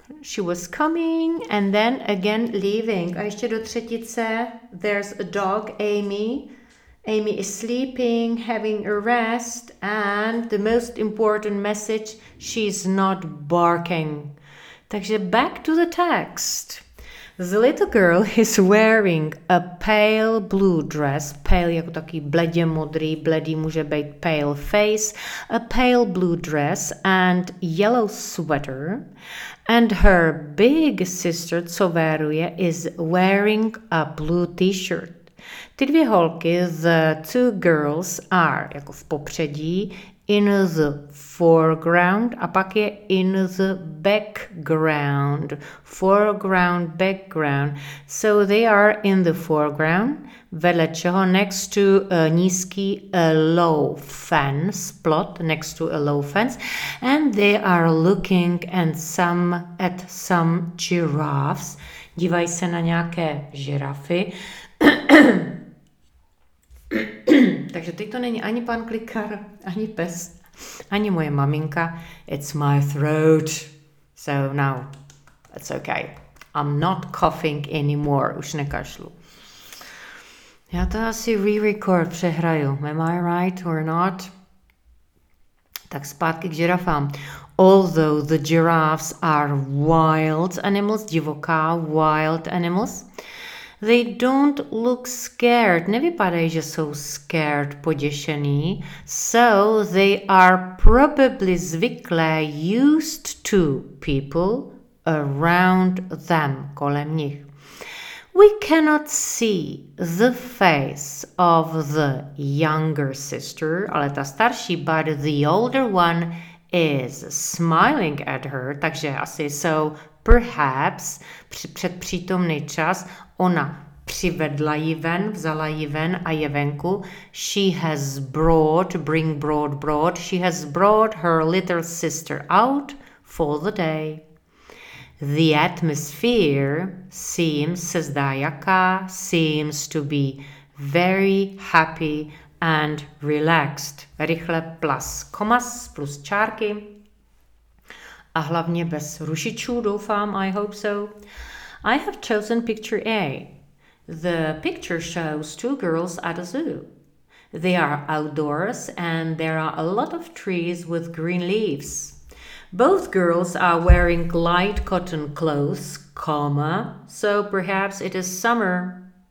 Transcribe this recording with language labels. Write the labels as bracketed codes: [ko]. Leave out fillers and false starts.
[en] She was coming and then again leaving. [cs] A ještě do třetice, [en] there's a dog, Amy. Amy is sleeping, having a rest, and the most important message, she's not barking. Takže back to the text. The little girl is wearing a pale blue dress. [cs] Pale jako taký bledě modrý, bledý může být [en] pale face. A pale blue dress and yellow sweater. And her big sister, [cs] co veruje, [en] is wearing a blue t-shirt. [cs] Ty dvě holky, [en] the two girls, are [cs] jako v popředí, [en] in the foreground, [cs] a pak je [en] in the background. Foreground, background. So they are in the foreground, [cs] vedle čeho, [en] next to a nízký, a low fence, plot, next to a low fence, and they are looking at some giraffes. [cs] Dívají se na nějaké žirafy. Takže teď to není ani pan klikar, ani pes, ani moje maminka. [en] It's my throat. So now, it's okay. I'm not coughing anymore. [cs] Už nekašlu. Já to asi re-record přehraju. [en] Am I right or not? [cs] Tak zpátky k žirafám. [en] Although the giraffes are wild animals, divoká wild animals, they don't look scared. [cs] Nevypadají, že jsou scared, poděšený. [en] So they are probably zvyklé, used to people around them, [cs] kolem nich. [en] We cannot see the face of the younger sister, [cs] ale ta starší, [en] but the older one is smiling at her. [cs] Takže asi [en] so perhaps, [cs] před přítomný čas, ona přivedla ji ven, vzala ji ven a je venku. [en] She has brought, bring brought, brought. She has brought her little sister out for the day. The atmosphere seems, [cs] se zdá jaká, [en] seems to be very happy and relaxed. [cs] Rychle plus komas, plus čárky. A hlavně bez rušičů, doufám, [en] I hope so. I have chosen picture A. The picture shows two girls at a zoo. They are outdoors and there are a lot of trees with green leaves. Both girls are wearing light cotton clothes, comma, so perhaps it is summer.